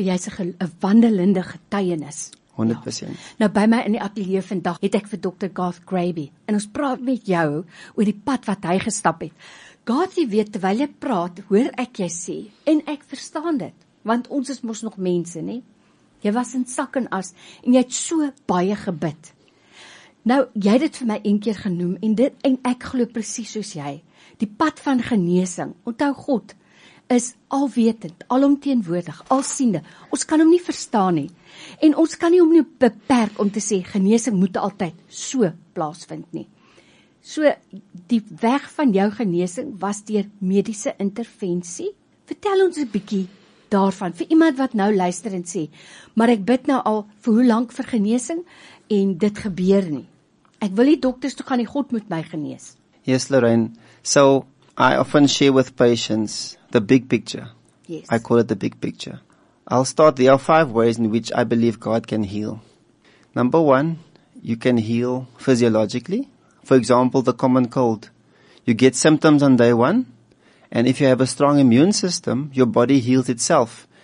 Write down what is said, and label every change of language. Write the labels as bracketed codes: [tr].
[af] So jy is een wandelende getuienis. 100%. Ja. Nou by my in die atelier vandag het ek vir Dr. Garth Graby, en ons praat met jou oor die pad wat hy gestap het. Garth, jy weet, terwyl jy praat, hoor ek jy sê, en ek verstaan dit, want ons is mos nog mense, nie? Jy was in sak en as, en jy het so baie gebid. Nou, jy het dit vir my een keer genoem, en dit, en ek glo precies soos jy, die pad van genesing, onthou God, is alwetend, alomteenwoordig, alsiende, ons kan hom nie verstaan nie, en ons kan nie hom nie beperk om te sê, genesing moet altyd so plaasvind nie. So, die weg van jou genesing was deur medische interventie. Vertel ons 'n bietjie daarvan, vir iemand wat nou luister en sê, maar ek bid nou al vir hoe lank vir genesing, en dit gebeur nie. Ek wil die dokters toe gaan, die God moet my genees. [en] Yes, Lorraine. So, I often share with patients the big picture. Yes. I call it the big picture. I'll start, there are 5 ways in which I believe God can heal. Number 1, you can heal physiologically. For example, the common cold. You get symptoms on day 1, and if you have a strong immune system, your body heals itself.